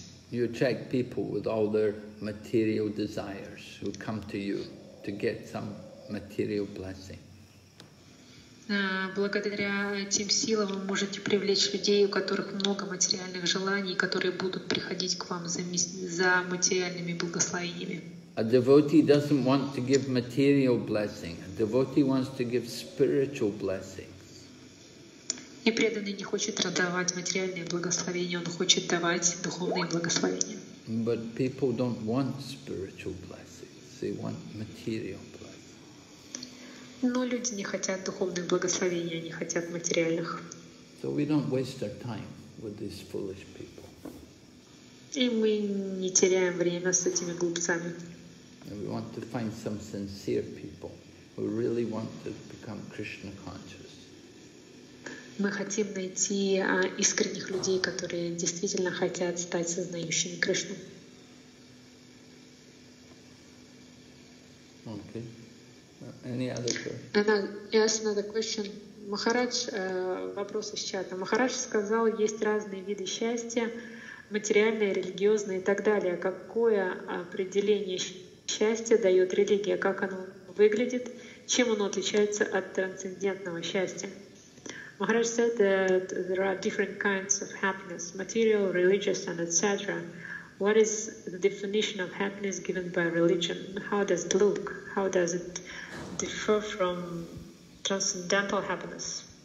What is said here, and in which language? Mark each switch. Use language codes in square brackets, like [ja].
[en] You attract people with all their material desires who come to you to get some material blessing. [ru] Благодаря этим силам вы можете привлечь людей, у которых много материальных желаний, которые будут приходить к вам за материальными благословениями. [en] A devotee doesn't want to give material blessing. A devotee wants to give spiritual blessing. [ru] И преданный не хочет раздавать материальные благословения, он хочет давать духовные благословения. [en] But people don't want spiritual blessings, they want material blessings. [ru] Но люди не хотят духовных благословений, они хотят материальных. [en] So we don't waste our time with these foolish people. [ru] И мы не теряем время с этими глупцами. [en] And we want to find some sincere people who really want to become Krishna conscious. [ru] Мы хотим найти искренних людей, которые действительно хотят стать сознающими Кришну. [en] Okay. Any other question? Yes, another question. [ru] Махарадж, вопрос из чата. Махарадж сказал, есть разные виды счастья, материальное, религиозное и так далее. Какое определение счастья дает религия? Как оно выглядит? Чем оно отличается от трансцендентного счастья? [en] Maharaj said that there are different kinds of happiness, material, religious, and etc. What is the definition of happiness given by religion? How does it look? How does it differ from transcendental happiness?